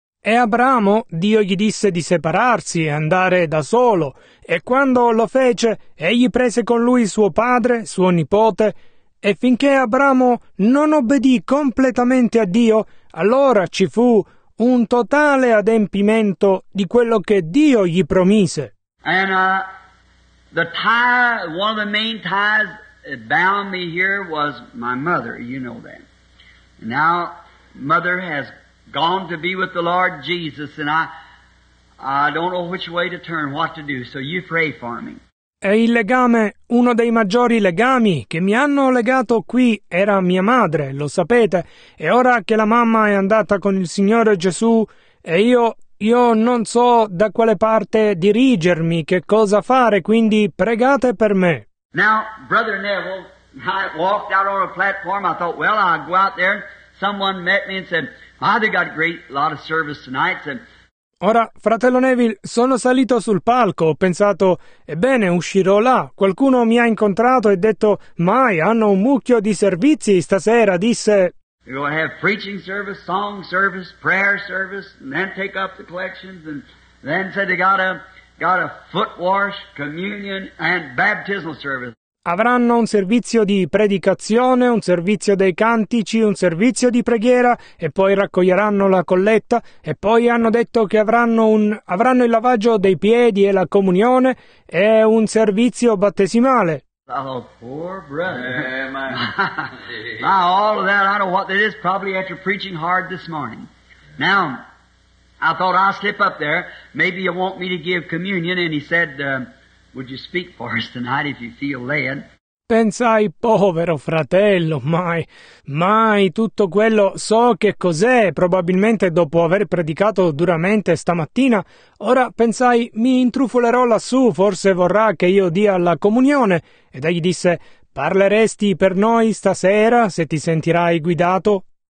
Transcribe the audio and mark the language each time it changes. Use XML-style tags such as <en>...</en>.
<it>E Abramo, Dio gli disse di separarsi e andare da solo, e quando lo fece, egli prese con lui suo padre, suo nipote, e finché Abramo non obbedì completamente a Dio, allora ci fu un totale adempimento di quello che Dio gli promise.</it> <en>And the tie, one of the main ties that bound me here was my mother, you know that. Now, mother has gone to be with the Lord Jesus, and I don't know which way to turn, what to do, so you pray for me.</en> <it>E il legame, uno dei maggiori legami che mi hanno legato qui era mia madre, lo sapete, e ora che la mamma è andata con il Signore Gesù, e io non so da quale parte dirigermi, che cosa fare, quindi pregate per me.</it> <en>Now, Brother Neville, I walked out on a platform, I thought, well, I'll go out there, someone met me and said, I've got a great lot of service tonight.</en> <it>Ora, fratello Neville, sono salito sul palco, ho pensato, ebbene, uscirò là. Qualcuno mi ha incontrato e detto, mai, hanno un mucchio di servizi stasera, disse.</it> <en>You're going to have preaching service, song service, prayer service, and then take up the collections, and then said they got a foot wash, communion, and baptismal service.</en> <it>Avranno un servizio di predicazione, un servizio dei cantici, un servizio di preghiera e poi raccoglieranno la colletta e poi hanno detto che avranno il lavaggio dei piedi e la comunione e un servizio battesimale.</it> <en>Oh, poor brother. Now, all of that, I don't know what that is, probably after preaching hard this morning. Now, I thought I'd slip up there, maybe you want me to give communion, and he said... Would you speak for us tonight if you feel led?</en> <it>Pensai, povero fratello, mai tutto quello so che cos'è, probabilmente dopo aver predicato duramente stamattina. Ora pensai, mi intrufolerò lassù, forse vorrà che io dia la comunione. Ed egli disse, parleresti per noi stasera se ti sentirai guidato?</it>